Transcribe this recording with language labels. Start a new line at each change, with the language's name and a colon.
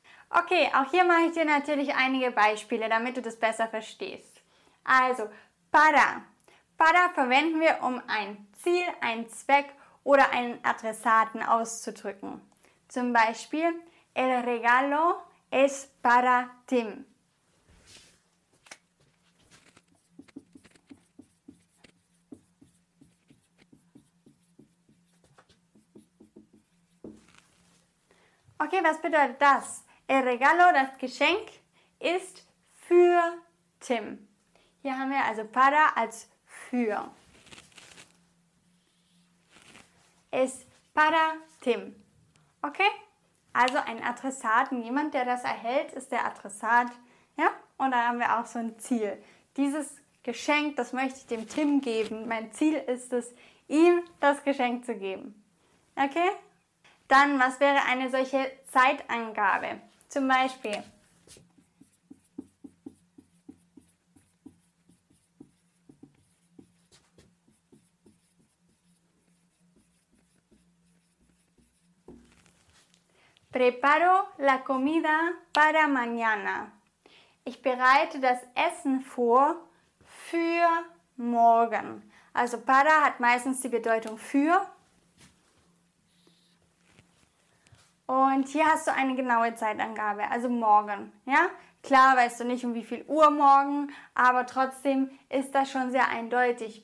German: Okay, auch hier mache ich dir natürlich einige Beispiele, damit du das besser verstehst. Also, Para. Para verwenden wir, um ein Ziel, einen Zweck oder einen Adressaten auszudrücken. Zum Beispiel,
Spanish: el regalo es para ti.
German: Okay, was bedeutet das?
Spanish: El regalo,
German: das Geschenk, ist für Tim. Hier haben wir also para als für.
Spanish: Es para Tim.
German: Okay? Also ein Adressaten, jemand, der das erhält, ist der Adressat. Ja? Und da haben wir auch so ein Ziel. Dieses Geschenk, das möchte ich dem Tim geben. Mein Ziel ist es, ihm das Geschenk zu geben. Okay? Dann, was wäre eine solche Zeitangabe? Zum Beispiel,
Spanish: preparo la comida para mañana.
German: Ich bereite das Essen vor für morgen. Also para hat meistens die Bedeutung für. Und hier hast du eine genaue Zeitangabe, also morgen, ja? Klar weißt du nicht, um wie viel Uhr morgen, aber trotzdem ist das schon sehr eindeutig.